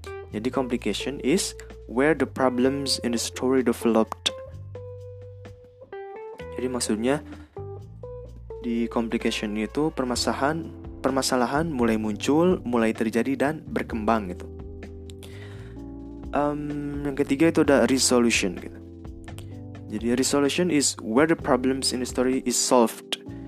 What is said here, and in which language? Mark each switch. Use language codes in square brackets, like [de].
[en] Jadi complication is where the problems in the story developed. [id] Jadi maksudnya di complication itu permasalahan mulai muncul, mulai terjadi dan berkembang gitu. Yang ketiga itu ada resolution gitu. [en] Jadi resolution is where the problems in the story is solved.